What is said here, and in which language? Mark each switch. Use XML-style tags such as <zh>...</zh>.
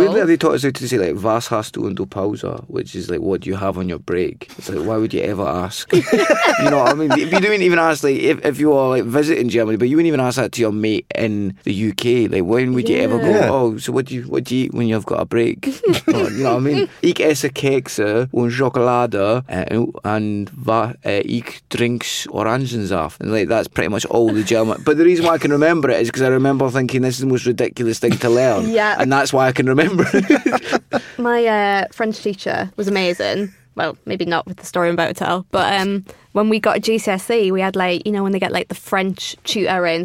<en>Weirdly, they taught us how to say, like,</en> <de>was hast du in der Pause,</de> <en>which is like, what do you have on your break? It's like, why would you ever ask? You know what I mean? You don't even ask, like, if you are like visiting Germany, but you wouldn't even ask that to your mate in the UK. Like, when would you ever go, oh, so what do you eat when you've got a break? You know what I mean?</en> <de>Ich esse Kekse und Schokolade und ich trinks Orangensaft.</de> <en>And like, that's pretty much all the German. But the reason why I can remember it is because I remember thinking this is the most ridiculous thing to learn. Yeah. And that's why I can remember it. My French teacher was amazing. Well, maybe not with the story I'm about to tell. But when we got a GCSE, we had like, you know, when they get like the French tutor in.</en>